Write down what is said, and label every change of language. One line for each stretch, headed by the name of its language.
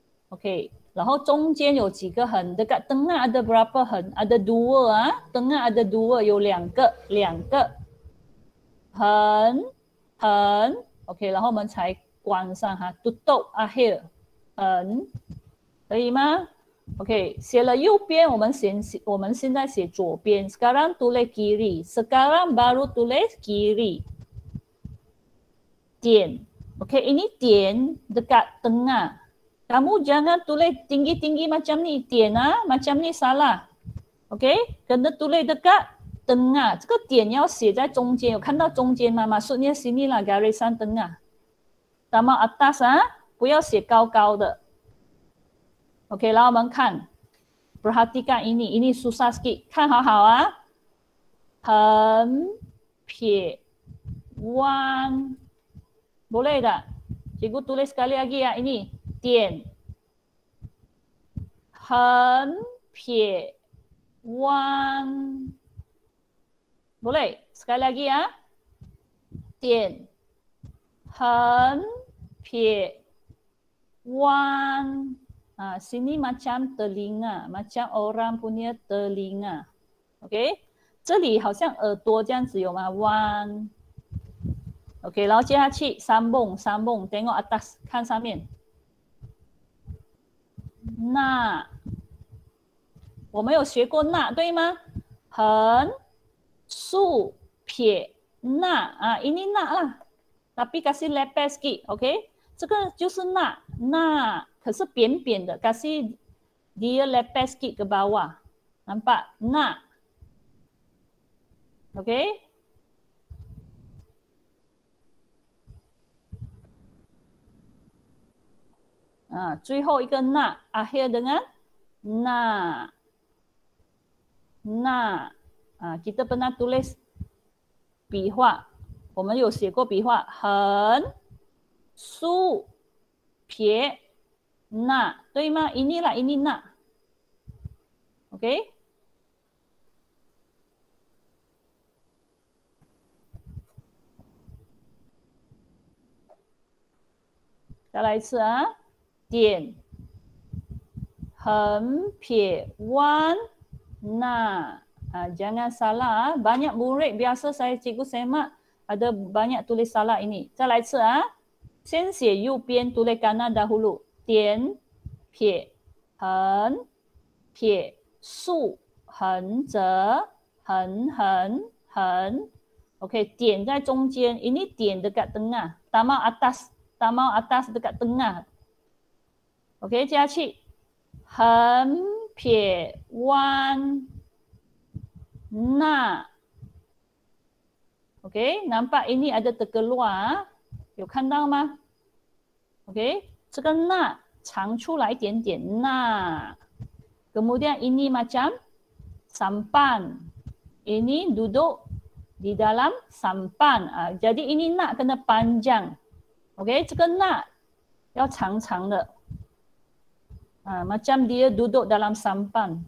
Chinese: OK， 然后中间有几个横 ？
Malay: Dekat tengah ada berapa
Chinese: 横 ？Ada dua 啊 ，
Malay: tengah ada dua，
Chinese: 有两个横横。 OK， 然后我们才关上哈 ，
Malay: tutup akhir
Chinese: 横，可以吗？ OK， 写了右边，我们现在写左边。
Malay: Sekarang tulis kiri， sekarang baru tulis kiri。点 ，OK， ini 点 dekat tengah。 Kamu jangan tulis tinggi-tinggi macam ni， 点啊 macam ni salah。 OK， kena tulis dekat tengah。
Chinese: 这个点要写在中间，有看到中间吗？
Malay: Maksudnya sini lah garisan tengah。 Sama atas
Chinese: 啊，不要写高高的。 OK， 然后我们看 ，
Malay: perhatikan ini susah sikit，
Chinese: 看好好啊，横撇弯 ，
Malay: boleh tak？ Cikgu tulis sekali lagi ya ini， 点横撇 Wang. Boleh? Sekali lagi ya. Tian. Hen. Pie. Wang. Ha, sini macam telinga. Macam orang punya telinga. Okay?
Chinese: 这里好像耳朵这样子有吗?Wang. Okay, 然后接下去, 三蹦, 三蹦,
Malay: tengok atas,
Chinese: 看上面. 那, 我们有学过 那, 对吗? 横, 竖, 撇, 那, 啊, ini 那 lah.
Malay: Tapi kasih lepas sikit, okay?
Chinese: 这个就是 那, 那, 可是扁扁的,
Malay: kasih dia lepas sikit ke bawah.
Chinese: 那, 那, okay?
Malay: Ah,
Chinese: 最后一个
Malay: na, akhir dengan na, na.
Chinese: Ah,
Malay: kita pernah tulis
Chinese: 笔画, 我们有写过笔画, 横, 竖, 撇, na, 对吗?
Malay: Ini lah, ini na. Okay? Kita
Chinese: 来一次
Malay: ah. 点, 横, 撇, 弯, 那, 啊, jangan salah, banyak murid, biasa saya cikgu semak, ada banyak tulis salah ini.
Chinese: 再来一次, 啊, 先写右边,
Malay: tulis kanan dahulu.
Chinese: 点, 撇, 横, 撇, 竖, 横, 折, 横, 横, 横, OK, 点在中间, ini 点
Malay: dekat tengah, tamau atas dekat tengah.
Chinese: OK, 接下去, 横, 撇, 弯, 那, OK, 难怕,
Malay: ini ada terkeluar,
Chinese: 有看到吗? OK, 这个 那, 长出来一点点, 那,
Malay: kemudian ini macam,
Chinese: 三半,
Malay: ini duduk di dalam
Chinese: 三半, 啊, jadi ini 那,
Malay: kena panjang,
Chinese: OK, 这个 那, 要长长的,
Malay: macam dia duduk dalam sampan.